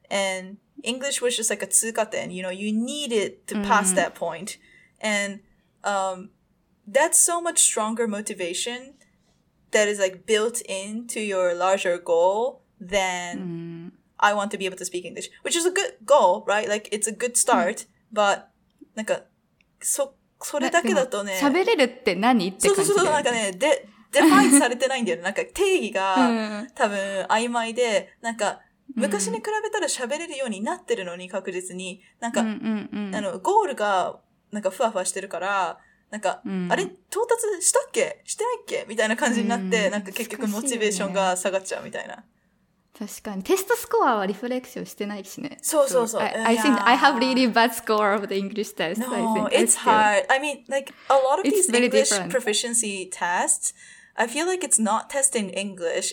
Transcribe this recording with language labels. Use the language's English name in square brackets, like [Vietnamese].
[English] And English was just like a 通過点, you know, you needed to pass that point. And that's so much stronger motivation that is like built into your larger goal than I want to be able to speak English, which is a good goal, right? Like it's a good start, but like [Japanese] それだけだとね、喋れるって何って感じで、 define されてないんだよね。なんか定義が多分曖昧で、 なんか 昔に比べたら喋れるようになってるのに確実に、なんか あのゴールが なんかふわふわしてるから、なんか、あれ到達したっけ？してないっけ？みたいな感じになって、なんか結局モチベーションが下がっちゃうみたいな。確かに。テストスコアはリフレクションしてないしね。そうそう。 [English] I think I have really bad score of the English test. No, it's hard. I mean, like, a lot of these English proficiency tests, I feel like it's not testing English.